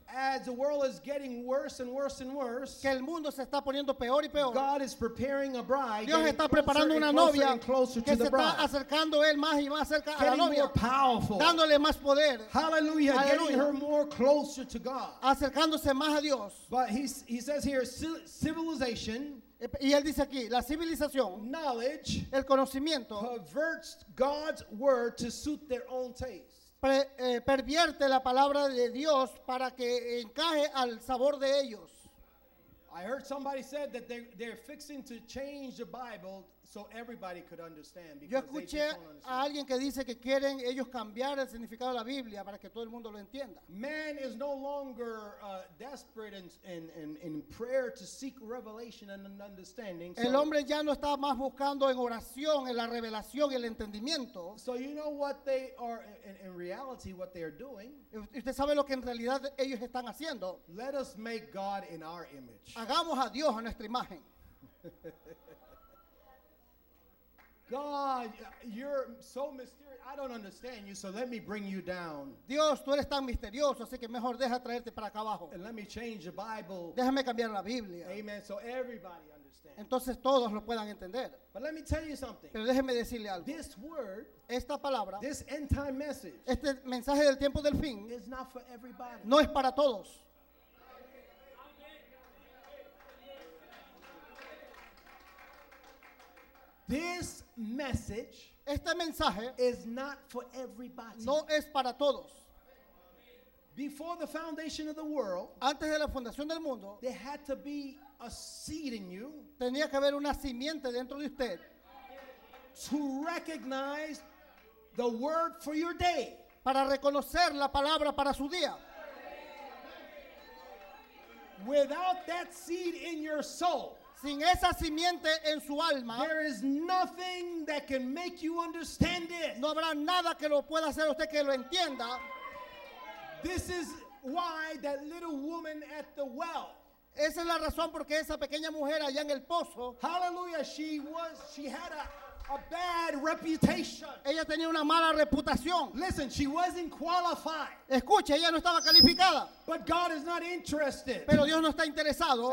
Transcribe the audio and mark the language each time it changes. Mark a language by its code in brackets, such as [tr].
[en] as the world is getting worse and worse and worse, [es] que el mundo se está poniendo peor y peor, [en] God is preparing a bride. [es] Dios está preparando una novia que se está acercando él más y más cerca a la novia, [en] getting more powerful, [es] dándole más poder. [en] Hallelujah, getting her more closer to God, [es] acercándose más a Dios. [en] But he says here, civilization. [es] Y él dice aquí, la civilización, [en] knowledge, [es] el conocimiento, [en] perverts God's word to suit their own taste. [es] Pervierte la palabra de Dios para que encaje al sabor de ellos. [en] I heard somebody said that they're fixing to change the Bible so everybody could understand. [es] Yo escuché a alguien que dice que quieren ellos cambiar el significado de la Biblia para que todo el mundo lo entienda. [en] Man is no longer desperate in prayer to seek revelation and understanding. [es] El hombre ya no está más buscando en oración en la revelación y el entendimiento. [en] So you know what they are in reality what they are doing. [es] Usted sabe lo que en realidad ellos están haciendo. [en] Let us make God in our image. [es] Hagamos a Dios a nuestra imagen. [en] God, you're so mysterious. I don't understand you, so let me bring you down. [es] Dios, tú eres tan misterioso, así que mejor deja traerte para acá abajo. [en] And let me change the Bible. [es] Déjame cambiar la Biblia. [en] Amen. So everybody understands. [es] Entonces todos lo puedan entender. [en] But let me tell you something. [es] Pero déjeme decirle algo. [en] This word, [es] esta palabra, [en] this end time message, [es] este mensaje del tiempo del fin, [en] is not for everybody. [es] No es para todos. [en] This message, [es] este mensaje, [en] is not for everybody. [es] No es para todos. [en] Before the foundation of the world, [es] antes de la fundación del mundo, [en] there had to be a seed in you. [es] Tenía que haber una simiente dentro de usted. [en] To recognize the word for your day. [es] Para reconocer la palabra para su día. [en] Without that seed in your soul, [es] sin esa simiente en su alma, [en] there is nothing that can make you understand it. [es] No habrá nada que lo pueda hacer usted que lo entienda. [en] This is why that little woman at the well. [es] Esa es la razón porque esa pequeña mujer allá en el pozo. [en] Hallelujah, she had a bad reputation. [es] Ella tenía una mala reputación. [en] Listen, she wasn't qualified. [es] Escuche, ella no estaba calificada. [en] But God is not interested. [es] Pero Dios no está interesado.